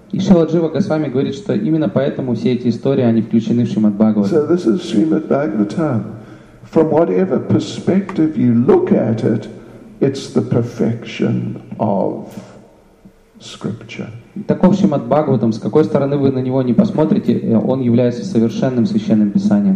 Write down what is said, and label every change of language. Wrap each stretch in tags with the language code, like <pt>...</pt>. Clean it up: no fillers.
<ru>И Шрила Джива Госвами говорит, что именно поэтому все эти истории, они включены в Шримад Бхагаватам.</ru> <en>So this is Srimad Bhagavatam. From whatever perspective you look at it, it's the perfection of scripture.</en> <ru>Таков Шримад Бхагаватам, с какой стороны вы на него не посмотрите, он является совершенным священным писанием.</ru>